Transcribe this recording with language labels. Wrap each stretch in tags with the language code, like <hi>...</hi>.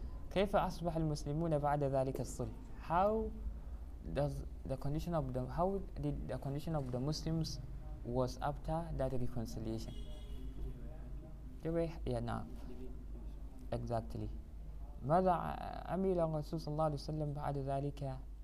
<ar>كيف أصبح المسلمون بعد ذلك الصلح?</ar> <en>How did the condition of the Muslims was after that reconciliation? Exactly.</en> <ar>ماذا عمل رسول صلى الله عليه وسلم بعد ذلك?</ar>